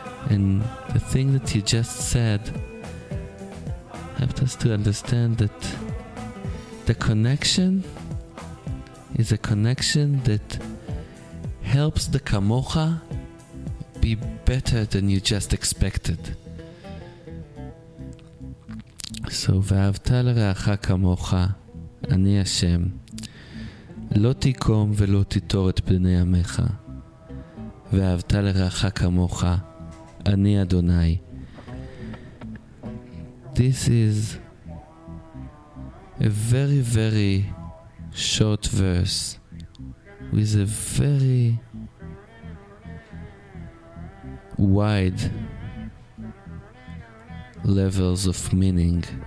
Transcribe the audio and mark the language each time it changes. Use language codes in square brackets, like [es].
[en] And the thing that you just said helped us to understand that the connection is a connection that helps the kamocha be better than you just expected. [he] So, ואהבת לרעך כמוך, אני השם, לא תיקום ולא תיטור את פני עמך, ואהבת לרעך כמוך, אני אדוני. [en] This is a very, very short verse with a very wide levels of meaning.